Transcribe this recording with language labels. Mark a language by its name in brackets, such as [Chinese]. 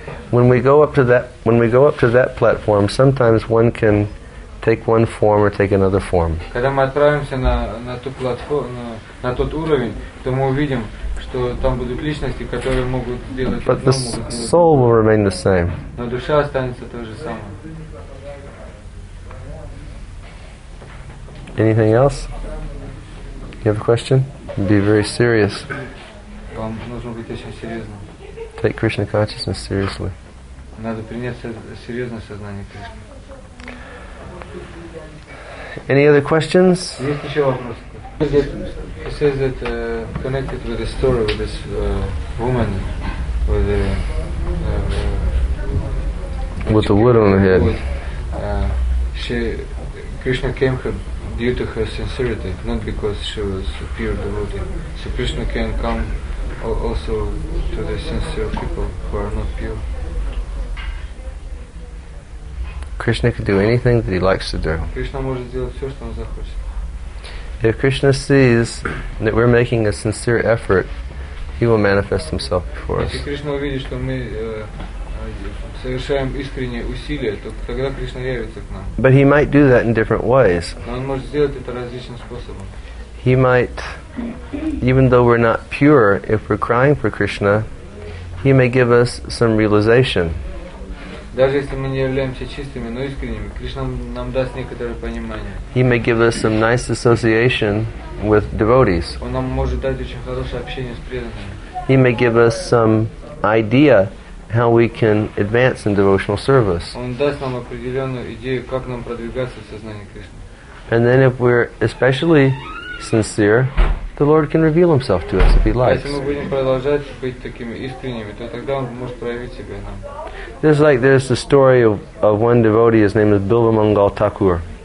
[English] When we go up to that platform, sometimes one can take one form or take another form. [Russian] Когда мы отправимся на ту платформу, на тот уровень, то мы увидим, что там будут личности, которые могут делать. [English] But the soul will remain the same. [Russian] Но душа останется той же самой. [English] Anything else? You have a question? Be very serious. [Russian] Вам нужно быть очень серьезным. [English] Take Krishna consciousness seriously. [Russian] Надо принять серьезное сознание Кришны. [English] Any other questions? [Russian] Есть еще вопрос. [English] He says that connected with the story with this woman with the with the wood on her head. Krishna came her due to her sincerity, not because she was a pure devotee. So Krishna can come also to the sincere people who are not pure. Krishna can do anything that he likes to do. [Russian] Krishna может сделать все, что он захочет. [English] If Krishna sees that we're making a sincere effort, he will manifest himself before us. [Russian] Если Кришна увидит, что мы совершаем искренние усилия, то тогда Кришна явится к нам. [English] But he might do that in different ways. [Russian] Но он может сделать это различным способом. [English] He might, even though we're not pure, if we're crying for Krishna, he may give us some realization. [Russian] Даже если мы не являемся чистыми, но искренними, Кришна нам даст некоторое понимание. [English] He may give us some nice association with devotees. [Russian] Он нам может дать очень хорошее общение с преданными. [English] He may give us some idea how we can advance in devotional service. [Russian] Он даст нам определенную идею, как нам продвигаться в сознании Кришны. [English] And then if we're especially sincere, the Lord can reveal himself to us if he likes. This is like, there's the story of one devotee, his name is Bilba Mangal Thakur.